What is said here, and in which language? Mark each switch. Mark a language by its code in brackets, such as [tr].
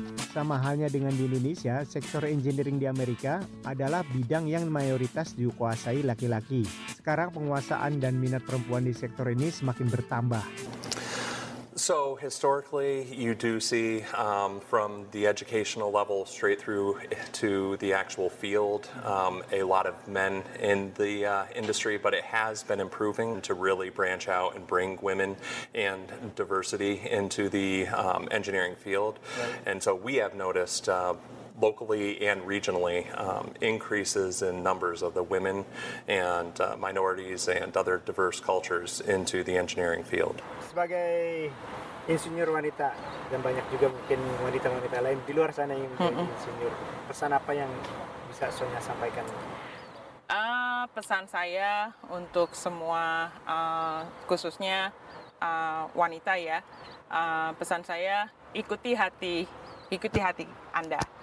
[id] Sama halnya dengan di Indonesia, sektor engineering di Amerika adalah bidang yang mayoritas dikuasai laki-laki. Sekarang penguasaan dan minat perempuan di sektor ini semakin bertambah. [en] So historically, you do see from the educational level straight through to the actual field a lot of men in the industry, but it has been improving to really branch out and bring women and diversity into the engineering field. Right. And so we have noticed locally and regionally increases in numbers of the women and minorities and other diverse cultures into the engineering field. [id] Sebagai insinyur wanita dan banyak juga mungkin wanita-wanita lain di luar sana yang menjadi insinyur, pesan apa yang bisa Sonya sampaikan? Pesan saya untuk semua khususnya wanita ya, pesan saya ikuti hati Anda.